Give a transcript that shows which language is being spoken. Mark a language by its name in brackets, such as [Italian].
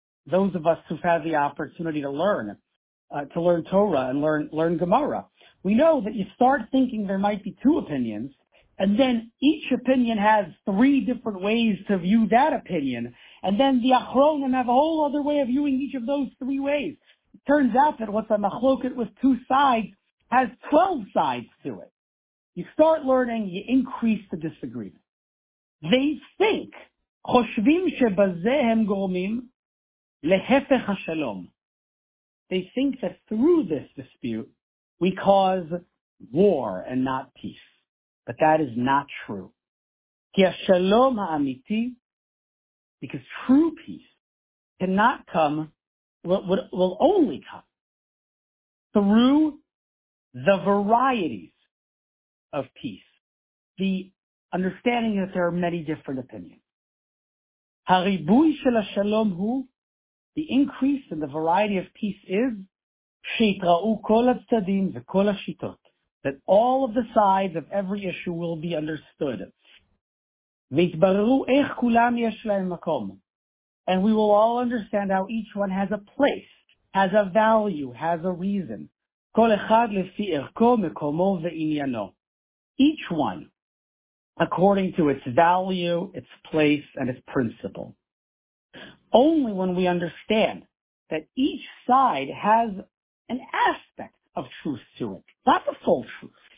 [English] Those of us who've had the opportunity to learn Torah and learn Gemara, we know that you start thinking there might be two opinions, and then each opinion has three different ways to view that opinion, and then the Achronim have a whole other way of viewing each of those three ways. It turns out that what's a machloket with two sides has 12 sides to it. You start learning, you increase the disagreement. They think, [Hebrew] חושבים שבזה הם גורמים להפך השלום. [English] They think that through this dispute, we cause war and not peace. But that is not true. [Hebrew] כי השלום האמיתי, [English] because true peace cannot come, will only come through the varieties of peace. The understanding that there are many different opinions. [Hebrew] הריבוי של השלום הוא, [English] the increase in the variety of peace is, [Hebrew] שיתראו כל הצדדים וכל השיטות, [English] that all of the sides of every issue will be understood. [Hebrew] ויתבררו איך כולם יש להם מקום. [English] And we will all understand how each one has a place, has a value, has a reason. [Hebrew] כל אחד לפי ערכו, מקומו ועניינו. [English] Each one, according to its value, its place, and its principle. Only when we understand that each side has an aspect of truth to it, not the full truth.